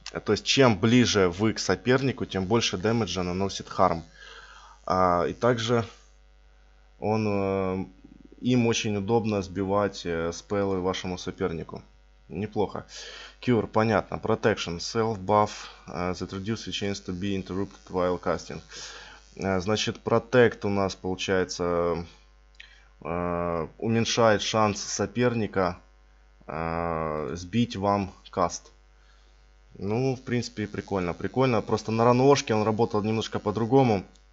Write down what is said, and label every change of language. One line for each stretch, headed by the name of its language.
Russian: То есть, чем ближе вы к сопернику, тем больше дэмэджа наносит Харм. И также им очень удобно сбивать спеллы вашему сопернику. Неплохо. Cure, понятно. Protection.
English: Self-buff that reduces chance to be interrupted while casting.
Russian: Значит, Protect у нас получается уменьшает шанс соперника сбить вам каст. Ну, в принципе, прикольно. Прикольно. Просто на раношке он работал немножко по-другому.